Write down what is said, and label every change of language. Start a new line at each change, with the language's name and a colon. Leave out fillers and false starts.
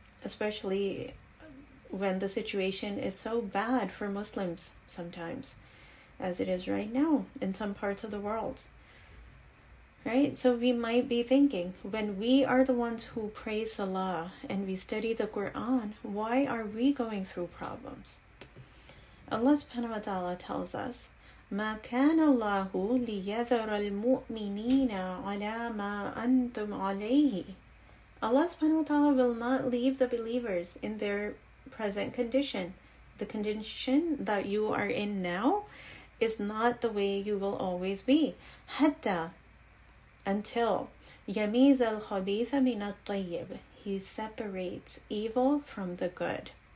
English: Especially when the situation is so bad for Muslims sometimes, as it is right now in some parts of the world. Right? So we might be thinking, when we are the ones who praise Allah and we study the Quran, why are we going through problems?
Arabic: Allah subhanahu wa ta'ala tells us, مَا كَانَ اللَّهُ لِيَذَرَ الْمُؤْمِنِينَ عَلَىٰ مَا أَنْتُمْ عَلَيْهِ.
English: Allah subhanahu wa ta'ala will not leave the believers in their present condition. The condition that you are in now is not the way you will always be.
Arabic: حَتَّى,
English: until,
Arabic: يَمِيزَ الْخَبِيثَ مِنَ الطَّيِّبِ,
English: He separates evil from the good.